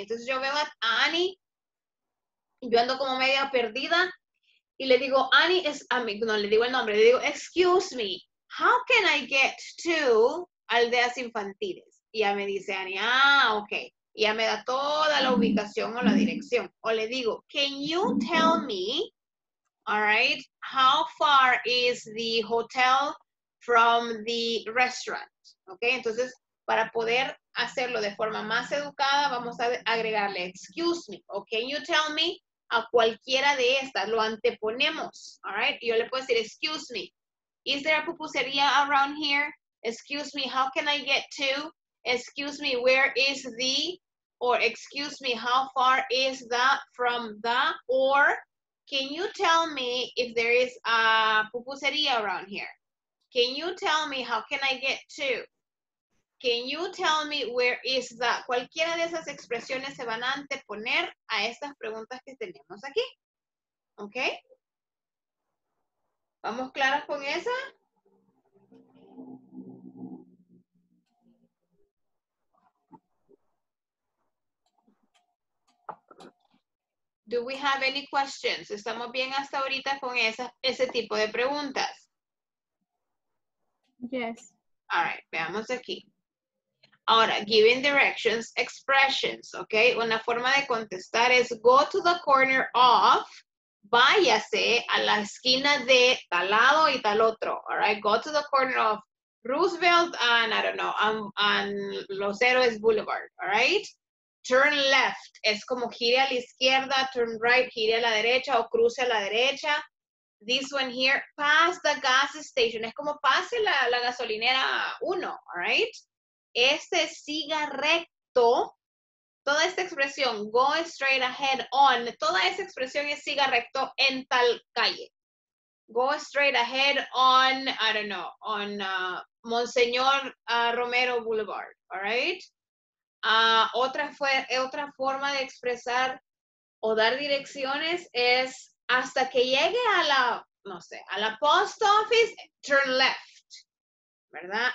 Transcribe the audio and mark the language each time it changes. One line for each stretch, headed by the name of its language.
Spanish: Entonces yo veo a Annie, yo ando como media perdida y le digo, Annie, es a mí, no le digo el nombre, le digo,
English: excuse me, how can I get to
Spanish: Aldeas Infantiles? Y ya me dice Annie, ah, ok. Y ya me da toda la ubicación o la dirección. O le digo,
English: can you tell me, all right, how far is the hotel from the restaurant?
Spanish: Ok, entonces para poder hacerlo de forma más educada vamos a agregarle
English: excuse me
Spanish: o
English: can you tell me
Spanish: a cualquiera de estas, lo anteponemos, all right? Yo le puedo decir
English: excuse me, is there a pupusería around here? Excuse me, how can I get to? Excuse me, where is the? Or excuse me, how far is that from the? Or can you tell me if there is a pupusería around here? Can you tell me how can I get to? Can you tell me where is that?
Spanish: Cualquiera de esas expresiones se van a anteponer a estas preguntas que tenemos aquí. ¿Ok? ¿Vamos claras con esa?
English: Do we have any questions?
Spanish: ¿Estamos bien hasta ahorita con esa, ese tipo de preguntas?
English: Yes. All right,
Spanish: veamos aquí. Ahora,
English: giving directions, expressions, ¿ok?
Spanish: Una forma de contestar es
English: go to the corner of,
Spanish: váyase a la esquina de tal lado y tal otro, all right?
English: Go to the corner of Roosevelt and, I don't know, and Los Héroes Boulevard, all right? Turn left,
Spanish: es como gire a la izquierda,
English: turn right,
Spanish: gire a la derecha o cruce a la derecha.
English: This one here, pass the gas station.
Spanish: Es como pase la, la gasolinera 1,
English: all right?
Spanish: Este siga recto. Toda esta expresión,
English: go straight ahead on.
Spanish: Toda esa expresión es siga recto en tal calle.
English: Go straight ahead on, I don't know, on Monseñor Romero Boulevard, all right?
Spanish: Otra forma de expresar o dar direcciones es hasta que llegue a la, no sé, a la
English: post office, turn left,
Spanish: ¿verdad?